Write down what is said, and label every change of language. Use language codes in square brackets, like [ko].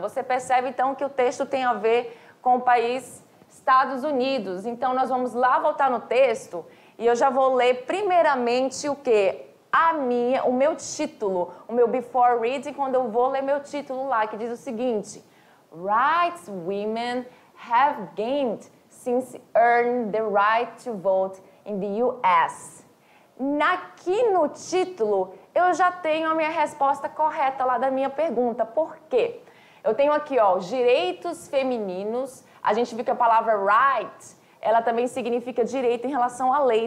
[pt] Você percebe, então, que o texto tem a ver com o país Estados Unidos. Então, nós vamos lá voltar no texto e eu já vou ler primeiramente o quê? O meu título, o meu [en] before reading, [pt] quando eu vou ler meu título lá, que diz o seguinte. [en] Rights women have gained since earned the right to vote in the U.S. [pt] Aqui no título, eu já tenho a minha resposta correta lá da minha pergunta. Por quê? Eu tenho aqui, ó, direitos femininos. A gente viu que a palavra right, ela também significa direito em relação à lei.